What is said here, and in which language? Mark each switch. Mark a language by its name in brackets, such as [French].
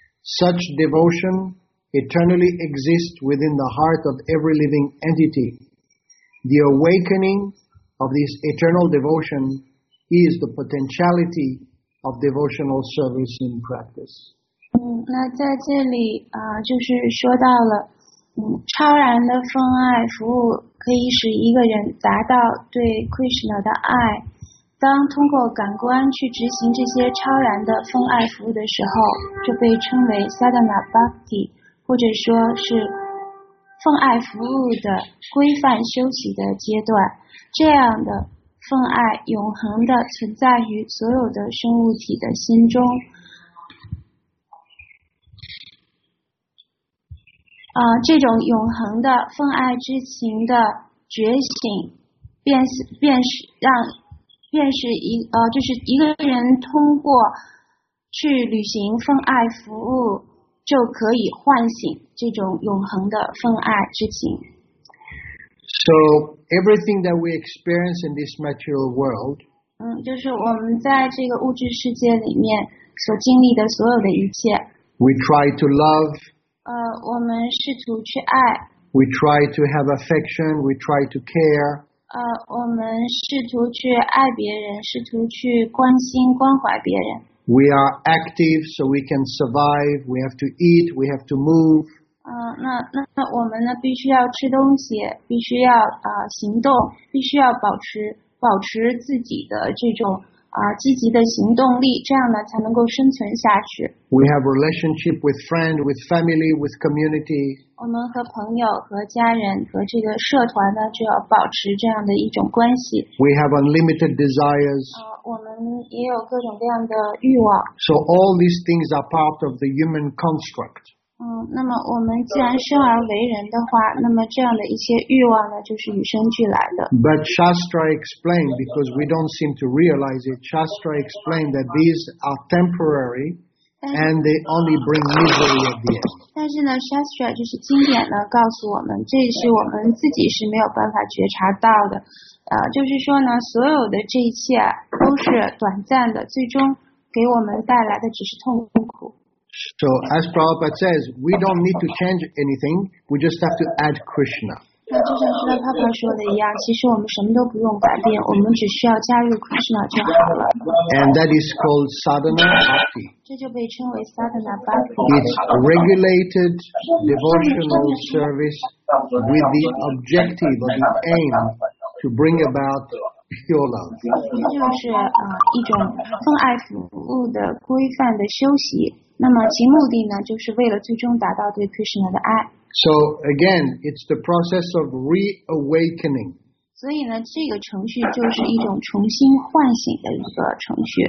[English] Such devotion eternally exists within the heart of every living entity. The awakening of this eternal devotion is the potentiality of devotional service in practice. [Chinese] 那在这里就是说到了。超然的奉爱服务可以使一个人达到对 Krishna 的爱。当通过感官去执行这些超然的奉爱服务的时候，就被称为 Sadhana Bhakti， 或者说是奉爱服务的规范修习的阶段。这样的奉爱永恒的存在于所有的生物体的心中。这种永恒的奉爱之情的觉醒，便是一个人通过去履行奉爱服务，就可以唤醒这种永恒的奉爱之情。 [English] So everything that we experience in this material world， [Chinese] 就是我们在这个物质世界里面所经历的所有的一切。 [English] We try to love。 [Chinese] 我们试图去爱。 [English] We try to have affection. We try to care. [Chinese] 我们试图去爱别人，试图去关心、关怀别人。 [English] We are active so we can survive. We have to eat. We have to move. [Chinese] 那我们呢？必须要吃东西，必须要行动，必须要保持自己的这种积极的行动力，这样呢才能够生存下去。 [English] We have relationship with friend, with family, with community. [Chinese] 我们和朋友、和家人、和这个社团呢，就要保持这样的一种关系。 [English] We have unlimited desires. [Chinese] 我们也有各种各样的欲望。 [English] So all these things are part of the human construct. [Chinese] 那么我们既然生而为人的话，那么这样的一些欲望呢，就是与生俱来的。 [English] But Shastra explained, because we don't seem to realize it, Shastra explained that these are temporary. And they only bring misery at the end. [Chinese] 但是呢 ，Shastra 就是经典呢，告诉我们，这是我们自己是没有办法觉察到的。就是说呢，所有的这一切都是短暂的，最终给我们带来的只是痛苦。 [English] So as Prabhupada says, we don't need to change anything. We just have to add Krishna. [Chinese] 那就像是他爸说的一样，其实我们什么都不用改变，我们只需要加入 Krishna 就好了。 [English] And that is called sadhana bhakti. [Chinese] 这就被称为 sadhana bhakti. [English] It's regulated devotional service with the objective or the aim to bring about pure love. [Chinese] 这就是一种奉爱服务的规范的修习。那么其目的呢，就是为了最终达到对 Krishna 的爱。 [English] So again, it's the process of reawakening. [Chinese] 所以呢，这个程序就是一种重新唤醒的一个程序。